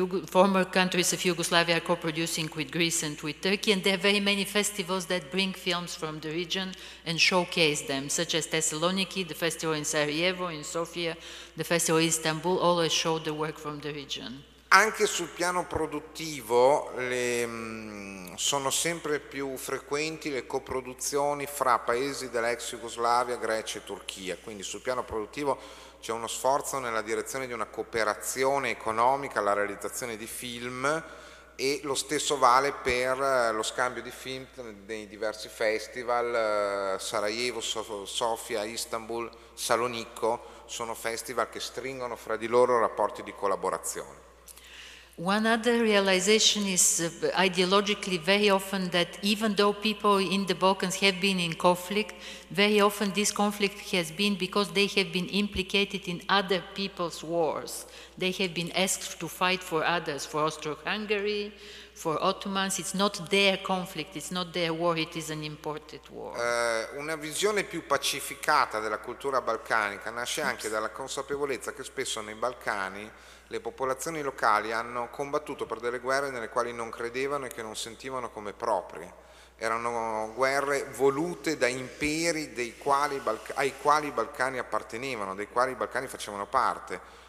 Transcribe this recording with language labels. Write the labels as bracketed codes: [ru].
[en] Former countries of Yugoslavia are co-producing with Greece and with Turkey, and there are very many festivals that bring films from the region and showcase them, such as Thessaloniki, the festival in Sarajevo, in Sofia, the festival in Istanbul, always show the work from the region. [it] Anche sul piano produttivo sono sempre più frequenti le coproduzioni fra paesi dell'ex Jugoslavia, Grecia e Turchia, quindi sul piano produttivo c'è uno sforzo nella direzione di una cooperazione economica alla realizzazione di film, e lo stesso vale per lo scambio di film nei diversi festival, Sarajevo, Sofia, Istanbul, Salonicco, sono festival che stringono fra di loro rapporti di collaborazione. [en] One other realization is ideologically very often that even though people in the Balkans have been in conflict, very often this conflict has been because they have been implicated in other people's wars. They have been asked to fight for others, for Austro-Hungary, for Ottomans. It's not their conflict, it's not their war, it is an imported war. [it] Una visione più pacificata della cultura balcanica nasce anche dalla consapevolezza che spesso nei Balcani le popolazioni locali hanno combattuto per delle guerre nelle quali non credevano e che non sentivano come proprie. Erano guerre volute da imperi ai quali i Balcani appartenevano, dei quali i Balcani facevano parte.